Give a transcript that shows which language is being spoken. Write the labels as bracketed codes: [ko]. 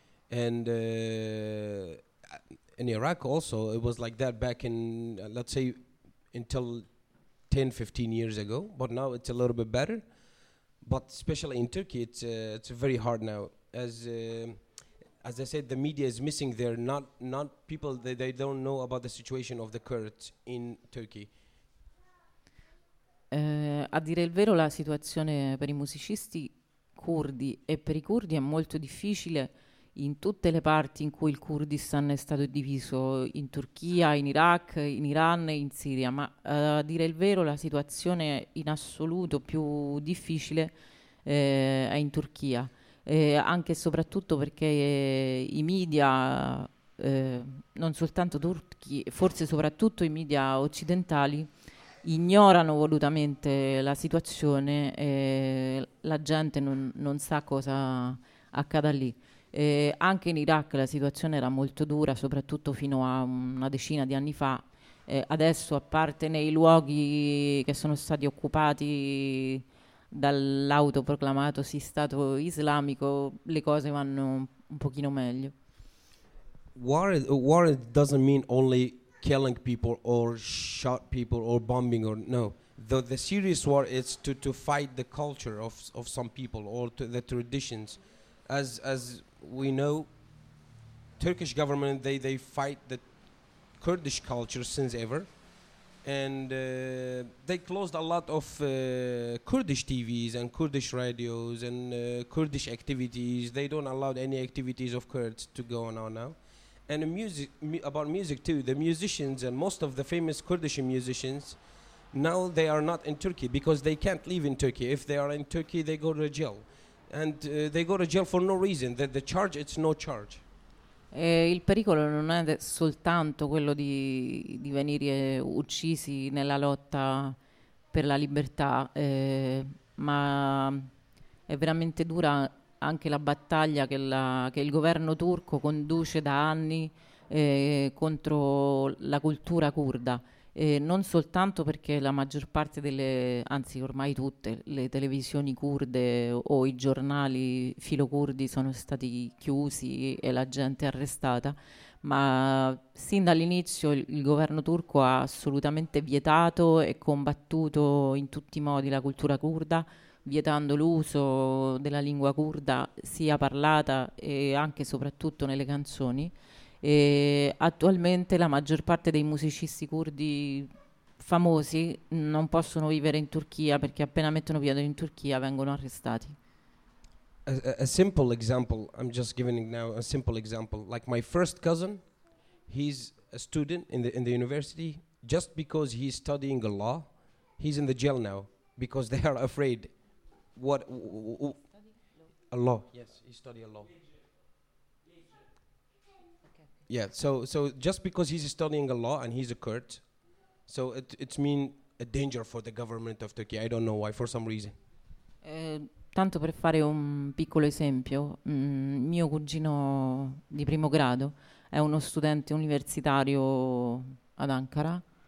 [en] And in Iraq also, it was like that back in, let's say, until 10, 15 years ago. But now it's a little bit better. But especially in Turkey, it's very hard now. As I said, the media is missing there. Not people, they don't know about the situation of the Kurds in Turkey. [it] A dire il vero, la situazione per i musicisti curdi e per i curdi è molto difficile in tutte le parti in cui il Kurdistan è stato diviso, in Turchia, in Iraq, in Iran e in Siria. Ma a dire il vero, la situazione in assoluto più difficile è in Turchia. Anche e soprattutto perché i media, non soltanto turchi, forse soprattutto i media occidentali, ignorano volutamente la situazione e la gente non sa cosa accada lì. Anche in Iraq la situazione era molto dura, soprattutto fino a una decina di anni fa. Adesso, a parte nei luoghi che sono stati occupati dall'autoproclamato stato islamico, le cose vanno un pochino meglio. [en] War doesn't mean only killing people or shot people or bombing, or no. The serious war is to fight the culture of some people or to the traditions. As we know, Turkish government, they fight the Kurdish culture since ever. And they closed a lot of Kurdish TVs and Kurdish radios and Kurdish activities. They don't allow any activities of Kurds to go on now. And about music too, the musicians and most of the famous Kurdish musicians, now they are not in Turkey because they can't live in Turkey. If they are in Turkey, they go to jail. And they go to jail for no reason. The charge, it's no charge. [it] Il pericolo non è soltanto quello di venire uccisi nella lotta per la libertà, ma è veramente dura anche la battaglia che il governo turco conduce da anni contro la cultura curda, non soltanto perché la maggior parte delle, anzi ormai tutte, le televisioni curde o i giornali filo curdi sono stati chiusi e la gente arrestata, ma sin dall'inizio il governo turco ha assolutamente vietato e combattuto in tutti i modi la cultura curda, vietando l'uso della lingua curda sia parlata e anche soprattutto nelle canzoni. E attualmente la maggior parte dei musicisti curdi famosi non possono vivere in Turchia, perché appena mettono piede in Turchia vengono arrestati. [en] A simple example, I'm just giving now a simple example, like my first cousin, he's a student in the university, just because he's studying law, he's in the jail now because they are afraid. What a law. Yes, he studied a law. Yeah, so just because he's studying a law and he's a Kurd, so it means a danger for the government of Turkey. I don't know why, for some reason. [it] Tanto per fare un piccolo esempio, mio cugino di primo grado è uno studente universitario ad Ankara.